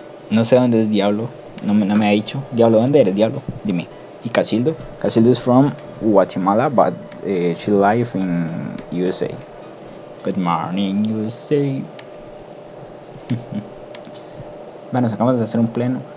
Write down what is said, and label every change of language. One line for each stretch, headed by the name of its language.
Spanish: No sé dónde es Diablo, no me ha dicho. Diablo, ¿dónde eres, Diablo? Dime. ¿Y Casildo?
English: Casildo is from Guatemala, but she live in USA. Good morning, USA.
Spanish: Bueno, acabamos de hacer un pleno.